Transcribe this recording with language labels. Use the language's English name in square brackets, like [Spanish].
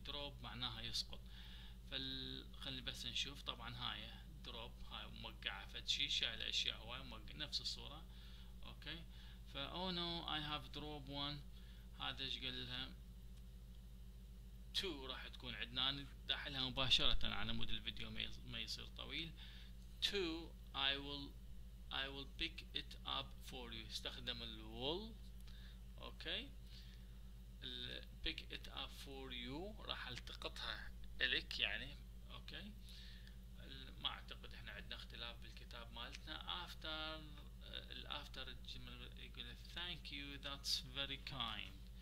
[Arabic] drop معناها يسقط. فخلي بس نشوف طبعا هاي drop هاي موقعة فتشي شايل أشياء هواي موقع نفس الصورة. أوكي فا [English] oh no I have drop one. [Arabic] هذا إيش قال لها two راح تكون عندنا داخلها مباشرة على مود الفيديو ما يصير طويل. [English] two I will pick it up for you. [Arabic] استخدم ال will. [English] okay ال pick it up for you [Arabic] راح التقطها إليك يعني. okay ما أعتقد إحنا عندنا اختلاف بالكتاب مالتنا. [English] after [Arabic] الجمل يقول [English] thank you that's very kind.